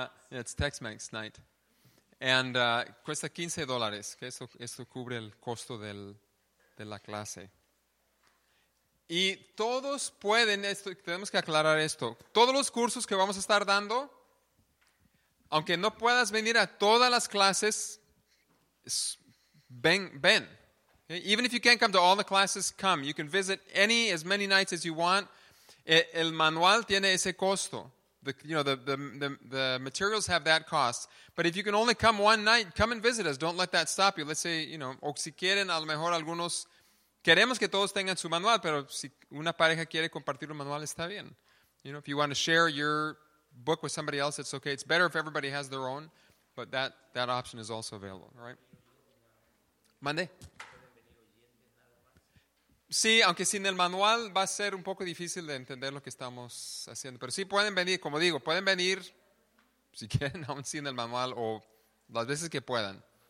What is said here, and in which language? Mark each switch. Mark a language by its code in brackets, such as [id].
[es] It's Tex-Mex night. And cuesta $15, que esto cubre el costo de la clase. Y todos pueden, esto, tenemos que aclarar esto, todos los cursos que vamos a estar dando, aunque no puedas venir a todas las clases, ven. [en] Okay? Even if you can't come to all the classes, come. You can visit any, as many nights as you want. [es] El manual tiene ese costo. The materials have that cost. But if you can only come one night, come and visit us. Don't let that stop you. Let's say, you know, o si quieren, a lo mejor algunos, queremos que todos tengan su manual, pero si una pareja quiere compartir un manual, está bien. [en] You know, if you want to share your book with somebody else, it's okay. It's better if everybody has their own, but that option is also available, right? [es] Mande. Sí, aunque sin el manual va a ser un poco difícil de entender lo que estamos haciendo, pero sí pueden venir, como digo, pueden venir si quieren, aún sin el manual o las veces que puedan.